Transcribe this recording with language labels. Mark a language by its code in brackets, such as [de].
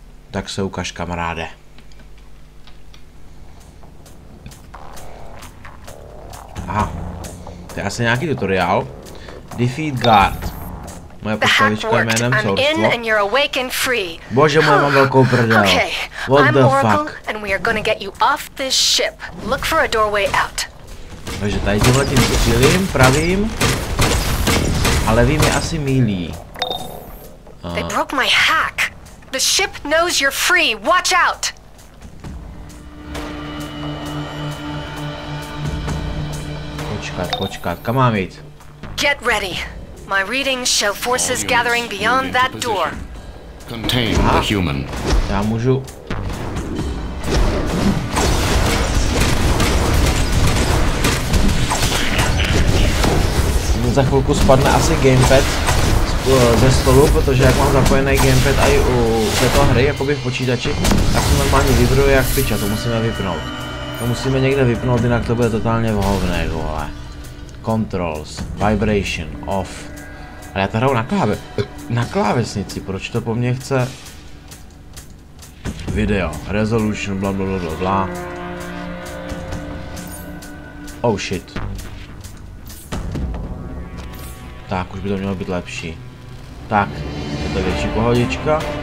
[cs] Tak se ukaž, kamaráde. Aha. To je asi nějaký tutoriál. Defeat Guard. Moje postavička jménem Sorstvo. Bože, moje mám velkou prdel. [en] What the fuck? And we are gonna get you off this ship. Look for a doorway out. [cs] Takže tady tímhle tím cílím, pravým a levým je asi mílí. [en] They broke my hack. The ship knows you're free. Watch out. [cs] Počkat, kam mám jít? [en] Get ready. My readings show forces gathering beyond that door. Contain the human. [cs] Já můžu. Za chvilku spadne asi gamepad ze stolu, protože jak mám zapojený gamepad i u této hry, jakoby v počítači, tak se normálně vibruje jak piča, to musíme vypnout. To musíme někde vypnout, jinak to bude totálně vhovné, vole. [en] Controls, vibration, off. [cs] Ale já to hraju na klávesnici, proč to po mně chce? [en] Video, resolution, blablabla. Oh shit. [cs] Tak, už by to mělo být lepší. Tak, je to větší pohodička.